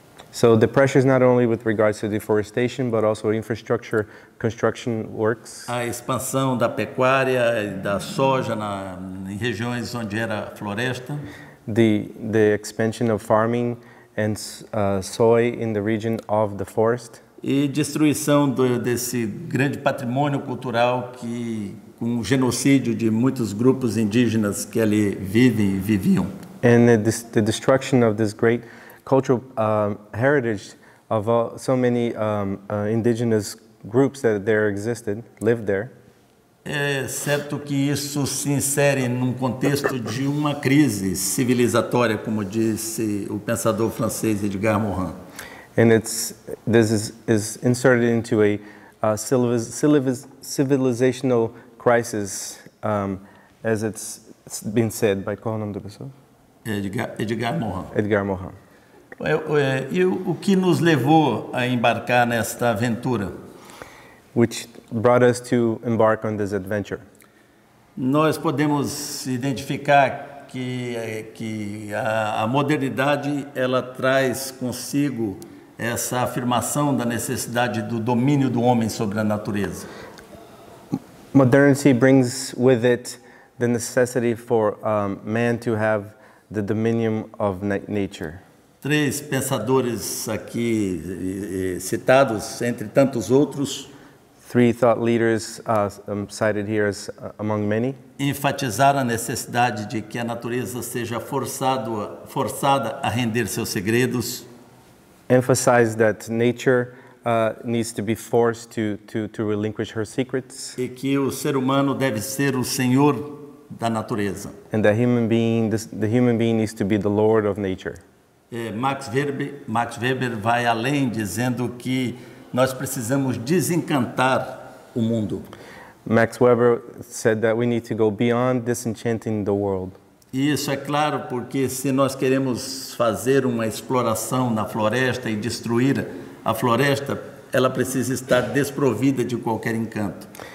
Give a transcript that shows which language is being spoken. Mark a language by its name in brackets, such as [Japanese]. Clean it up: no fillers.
[English] So the pressure is not only with regards to deforestation, but also infrastructure construction works. [Portuguese] A expansão da pecuária e da soja em regiões onde era floresta. [English] The expansion of farming and soy in the region of the forest. [Portuguese] E destruição desse grande patrimônio cultural que com o genocídio de muitos grupos indígenas que ali vivem e viviam. [English] And the destruction of this great cultural heritage of so many indigenous groups that there existed, lived there. [Portuguese] É certo que isso se insere num contexto de uma crise civilizatória, como disse o pensador francês Edgar Morin. [English] And this is inserted into a civilizational crisis, as it's been said by [Portuguese] qual nome da pessoa? Edgar Morin. E o que nos levou a embarcar nesta aventura? [English] Which brought us to embark on this adventure? [Portuguese] Nós podemos identificar que a modernidade ela traz consigo essa afirmação da necessidade do domínio do homem sobre a natureza. [English] Modernity brings with it the necessity for man to have the dominion of nature. [Portuguese] Três pensadores aqui citados, entre tantos outros. [English] three thought leaders cited here as among many. [Portuguese] Enfatizar a necessidade de que a natureza seja forçada a render seus segredos. [English] Emphasize that nature needs to be forced to relinquish her secrets. [Portuguese] E que o ser humano deve ser o senhor da natureza. [English] And that the human being needs to be the lord of nature. [Portuguese] Max Weber vai além, dizendo que nós precisamos desencantar o mundo. [English] Max Weber said that we need to go beyond disenchanting the world. [Portuguese] E isso é claro, porque se nós queremos fazer uma exploração na floresta e destruir a floresta, ela precisa estar desprovida de qualquer encanto.